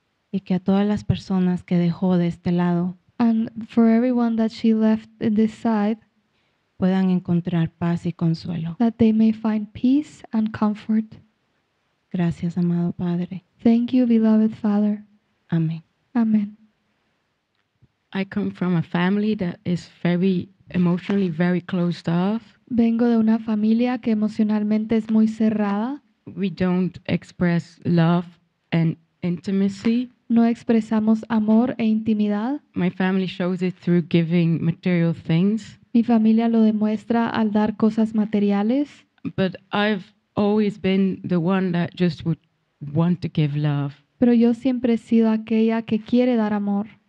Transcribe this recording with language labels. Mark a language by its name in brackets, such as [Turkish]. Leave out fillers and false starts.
[Spanish] Y que a todas las personas que dejó de este lado. [English] And for everyone that she left in this side. [Spanish] Puedan encontrar paz y consuelo. [English] That they may find peace and comfort. [Spanish] Gracias, amado Padre. [English] Thank you, beloved Father. [Spanish] Amén. Amén. [English] I come from a family that is very emotionally very closed off. [Spanish] Vengo de una familia que emocionalmente es muy cerrada. [English] We don't express love and intimacy. [Spanish] No expresamos amor e intimidad. [English] My family shows it through giving material things. [Spanish] Mi familia lo demuestra al dar cosas materiales. [English] But I've always been the one that just would want to give love. [Spanish] Pero yo siempre he sido aquella que quiere dar amor.